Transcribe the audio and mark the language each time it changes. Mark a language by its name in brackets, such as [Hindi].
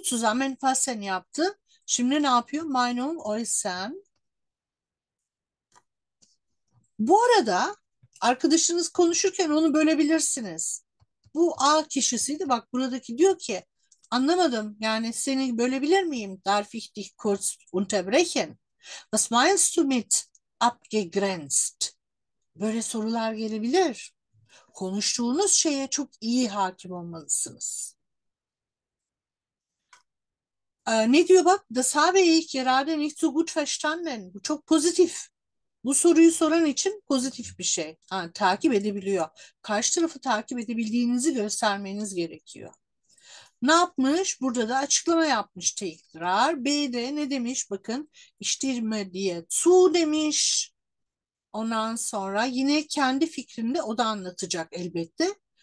[Turkish] Zusammenfassen yaptı. Şimdi ne yapıyor? [German] Meinung äußern. [Turkish] Bu arada arkadaşınız konuşurken onu bölebilirsiniz. Bu A kişisiydi. Bak buradaki diyor ki anlamadım. Yani seni bölebilir miyim? [German] Darf ich dich kurz unterbrechen? Was meinst du mit abgegrenzt? [Turkish] Böyle sorular gelebilir. Konuştuğunuz şeye çok iyi hakim olmalısınız. Ne diyor bak? [German] Das habe ich gerade nicht so gut verstanden. [Turkish] Bu çok pozitif. Bu soruyu soran için pozitif bir şey. Ha, takip edebiliyor. Karşı tarafı takip edebildiğinizi göstermeniz gerekiyor. Ne yapmış? Burada da açıklama yapmış tekrar. B'de ne demiş? Bakın. İştirme diye su demiş. Ondan sonra yine kendi fikrinde o da anlatacak elbette.